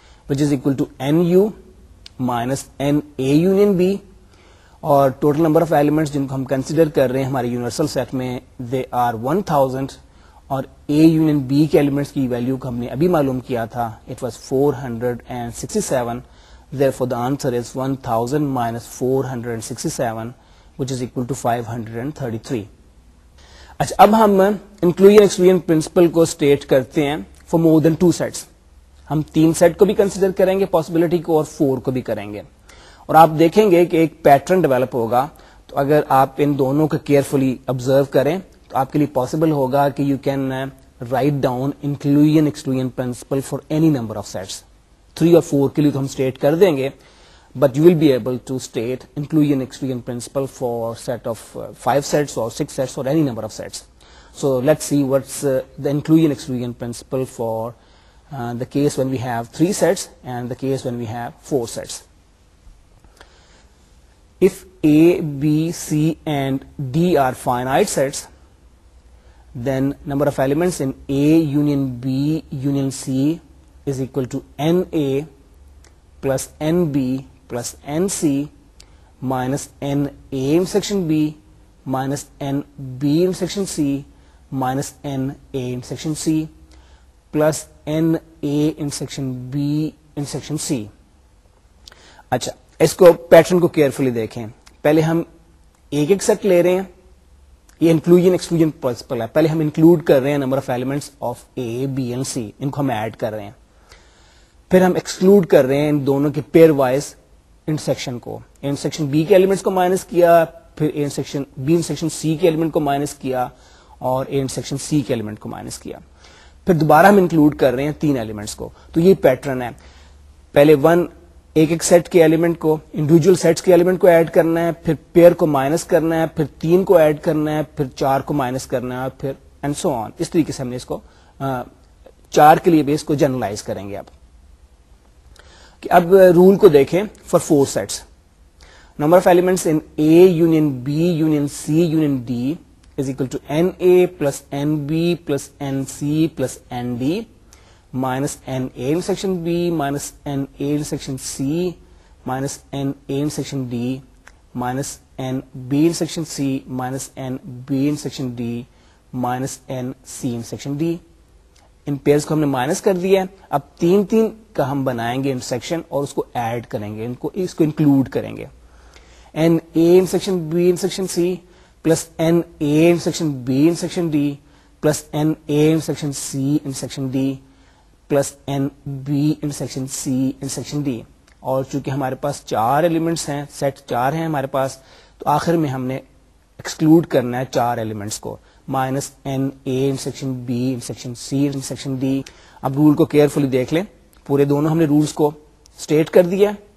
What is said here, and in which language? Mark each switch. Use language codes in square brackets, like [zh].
[en] which is equal to N U minus N A union B, [ur] اور total number of elements جن کو ہم consider کر رہے ہیں ہمارے یونیورسل سیٹ میں [en] they are 1000, [ur] اور اے یونین بی کے ایلیمنٹس کی ویلیو کو ہم نے ابھی معلوم کیا تھا, [en] It was 467. Therefore, the answer is 1000 minus 467, which is equal to 533. [ur] اچھا اب ہم انکلوژن ایکسکلوژن پرنسپل کو اسٹیٹ کرتے ہیں [en] For more than two sets. [ur] ہم تین سیٹ کو بھی کنسیڈر کریں گے پاسبلٹی کو, اور فور کو بھی کریں گے, اور آپ دیکھیں گے کہ ایک پیٹرن ڈیولپ ہوگا. تو اگر آپ ان دونوں کو کیئرفلی آبزرو کریں تو آپ کے لیے پاسبل ہوگا کہ [en] You can write down inclusion exclusion principle for any number of sets. [ur] 3 اور 4 کے لیے تو ہم اسٹیٹ کر دیں گے, [en] But you will be able to state inclusion exclusion principle for set of 5 sets اور 6 sets اور any number of sets. So let's see what's the inclusion exclusion principle for the case when we have 3 sets and the case when we have 4 sets. If A B C and D are finite sets, then number of elements in A union B union C is equal to NA plus NB plus NC minus NA in section B minus NB in section C minus NA in section C plus NA in section B in section C. [ur] اچھا اس کو pattern کو carefully دیکھیں. پہلے ہم ایک ایک set لے رہے ہیں, یہ انکلوژن ایکسکلوژن پرنسپل ہے. پہلے ہم انکلوڈ کر رہے ہیں number of elements of a be N C, ان کو ہم ایڈ کر رہے ہیں, پھر ہم ایکسکلوڈ کر رہے ہیں ان دونوں کے پیئر وائز انٹرسیکشن کو. انٹرسیکشن بی کے ایلیمنٹس کو مائنس کیا, پھر انٹرسیکشن بی انٹرسیکشن سی کے ایلیمنٹ کو مائنس کیا, اور انٹرسیکشن سی کے ایلیمنٹ کو مائنس کیا, پھر دوبارہ ہم انکلوڈ کر رہے ہیں تین ایلیمنٹس کو. تو یہ پیٹرن ہے, پہلے ون ایک ایک سیٹ کے ایلیمنٹ کو انڈیویجل سیٹس کے ایلیمنٹ کو ایڈ کرنا ہے, پھر پیئر کو مائنس کرنا ہے, پھر تین کو ایڈ کرنا ہے, پھر چار کو مائنس کرنا ہے, پھر [en] And so on. [ur] اس طریقے سے ہم نے اس کو چار کے لیے بھی اس کو جنرلائز کریں گے. اب رول کو دیکھیں [en] For four sets, number of elements in A union B union C union D is equal to N A plus N B plus N C plus N D minus N A in section B minus N A in section C minus N A in section D minus N B in section C minus N B in section D minus N C in section D. [ur] In pairs کو ہم نے minus کر دیا ہے, اب تین تین کا ہم بنائیں گے انٹرسیکشن اور اس کو ایڈ کریں گے, ان کو اس کو انکلوڈ کریں گے. [en] N A intersection B intersection C plus N A intersection B intersection D plus N A intersection C intersection D plus N B intersection C intersection D. [ur] اور چونکہ ہمارے پاس چار ایلیمنٹس ہیں, سیٹ چار ہیں ہمارے پاس, تو آخر میں ہم نے ایکسکلوڈ کرنا ہے چار ایلیمنٹس کو, [en] Minus N A intersection B intersection C intersection D. [ur] اب رول کو کیئرفلی دیکھ لیں, پورے دونوں ہم نے رولس کو اسٹیٹ کر دیا.